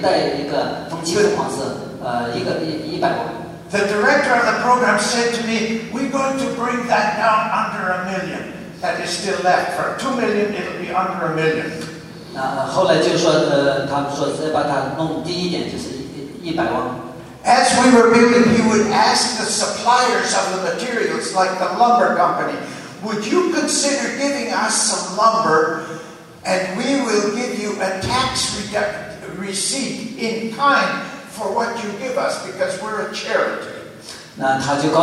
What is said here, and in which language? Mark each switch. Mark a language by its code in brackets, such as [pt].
[zh] 那我们当时知道从银行里面可以贷一个分期付款是一百万。 [en] The director of the program said to me, "We're going to bring that down under 1 million that is still left. For 2 million, it'll be under 1 million." [zh] 那后来就说，他们说再把它弄低一点，就是一百万。 [en] As we were building, he would ask the suppliers of the materials, like the lumber company, "Would you consider giving us some lumber, and we will give you a tax receipt in kind for what you give us, because we're a charity?"